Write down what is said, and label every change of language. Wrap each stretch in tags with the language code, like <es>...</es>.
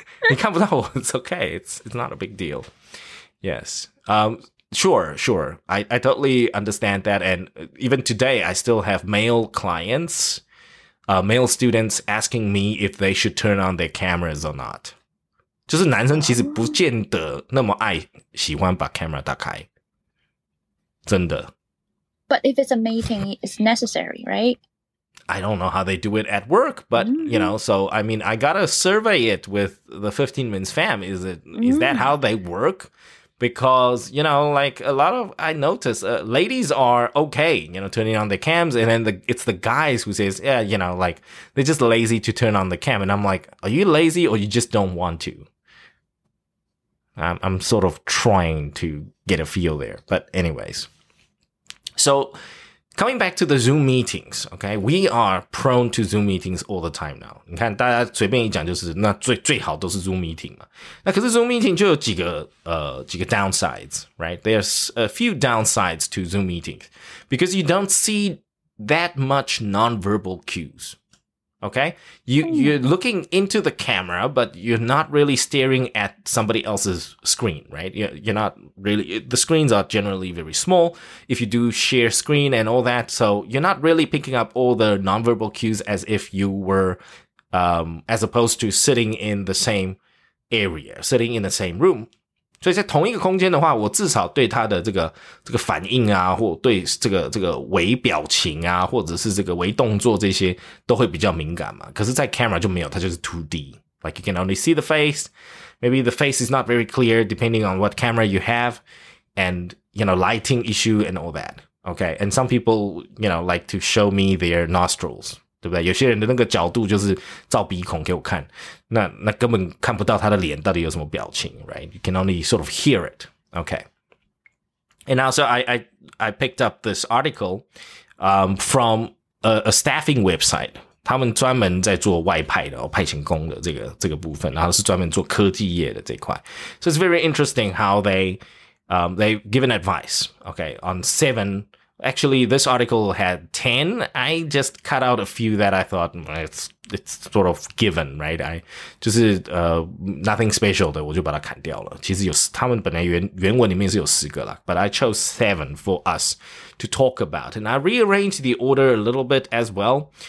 <zh>你看不到我</zh> <en>it's okay, it's not a big deal. Yes, sure, I totally understand that, and even today I still have male clients. Male students asking me if they should turn on their cameras or not.</en> <zh>就是男生其实不见得那么爱喜欢把 camera 打开。真的。</zh> <en>But if it's a meeting, it's necessary, right? I don't know how they do it at work, but,、mm-hmm. you know, so, I mean, I gotta survey it with the 15 Minutes fam. Is that how they work? because, you know, like a lot of, I notice ladies are okay, you know, turning on the cams. And then it's the guys who says, yeah, you know, like they're just lazy to turn on the cam. And I'm like, are you lazy or you just don't want to? I'm sort of trying to get a feel there. But anyways, so coming back to the Zoom meetings, okay, we are prone to Zoom meetings all the time now.</en> <zh>你看大家随便一讲就是那最好都是 Zoom meeting 嘛。那可是 Zoom meeting 就有几个 downsides, right?</zh> <en>There's a few downsides to Zoom meetings because you don't see that much nonverbal cues, okay? You're looking into the camera, but you're not really staring at somebody else's screen, right? You're not really, the screens are generally very small if you do share screen and all that. So you're not really picking up all the nonverbal cues as if you were, as opposed to sitting in the same area, sitting in the same room.</en> <zh>所以在同一个空间的话，我至少对他的这个反应啊，或对这个微表情啊，或者是这个微动作这些都会比较敏感嘛。可是在 camera 就没有，它就是 2D,</zh> <en>like you can only see the face. Maybe the face is not very clear depending on what camera you have, and you know lighting issue and all that. Okay, and some people you know like to show me their nostrils.</en> <zh>对不对？有些人的那个角度就是照鼻孔给我看，那根本看不到他的脸到底有什么表情 ，right?</zh> <en>You can only sort of hear it. Okay. And also, I picked up this article, from a staffing website.</en> <zh>他们专门在做外派的、哦、派遣工的这个部分，然后是专门做科技业的这块。</zh> <en>So it's very interesting how they've given advice. Okay, on seven. Actually, this article had 10. I just cut out a few that I thought it's sort of given, right? I just nothing special 的，</en> <zh>我就把它砍掉了。其实有他们本来原文里面是有十个啦</zh> <en>，but I chose 7 for us to talk about, and I rearranged the order a little bit as well.</en>